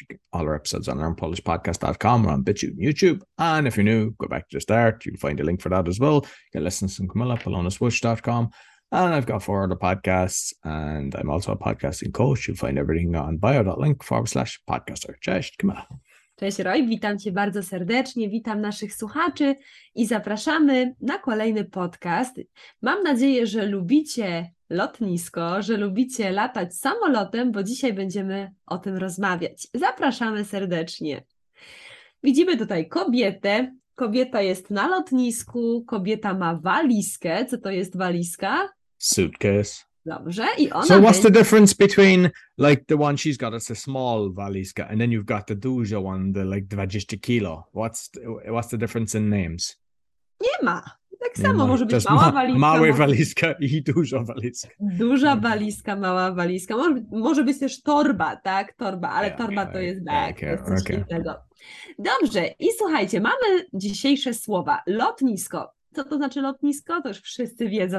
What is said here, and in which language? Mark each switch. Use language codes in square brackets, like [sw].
[en] You get all our episodes on learnpolishpodcast.com or on BitChute and YouTube. And if you're new, go back to the start. You'll find a link for that as well. You can listen to some Camilla, PolonaSwitch.com. And I've got four other podcasts, and I'm also a podcasting coach. You'll find everything on bio.link/podcaster. [pl] Cześć, [en] Camilla. [pl] Cześć Roy, witam Cię bardzo serdecznie, witam naszych słuchaczy i zapraszamy na kolejny podcast. Mam nadzieję, że lubicie lotnisko, że lubicie latać samolotem, bo dzisiaj będziemy o tym rozmawiać. Zapraszamy serdecznie. Widzimy tutaj kobietę, kobieta jest na lotnisku, kobieta ma walizkę. Co to jest walizka? [en] Suitcase. [pl] Dobrze. I ona [en] so what's the difference between like the one she's got, it's a small walizka, and then you've got the duża one, the like 20 kilo. What's the difference in names? [pl] Nie ma. Tak nie samo ma. Może być mała walizka. Małe walizka i duża walizka. Duża walizka, mała walizka. Może być też torba, tak? Torba, ale yeah, torba okay, to jest, tak, okay, jest coś innego. Dobrze. I słuchajcie, mamy dzisiejsze słowa. Lotnisko. Co to znaczy lotnisko? To już wszyscy wiedzą.